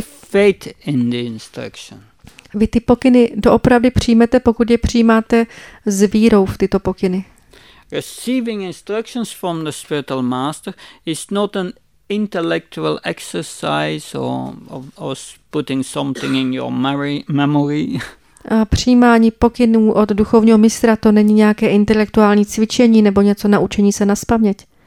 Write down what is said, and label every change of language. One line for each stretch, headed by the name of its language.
English: Faith in the instruction.
Czech: Vy ty pokyny doopravdy přijmete, pokud je přijímáte s vírou v tyto pokyny.
English: Receiving instructions from the spiritual master is not an intellectual exercise or putting something in your memory.
Czech: A přijímání pokynů od duchovního mistra, to není nějaké intelektuální cvičení nebo něco naučení se na spaměť.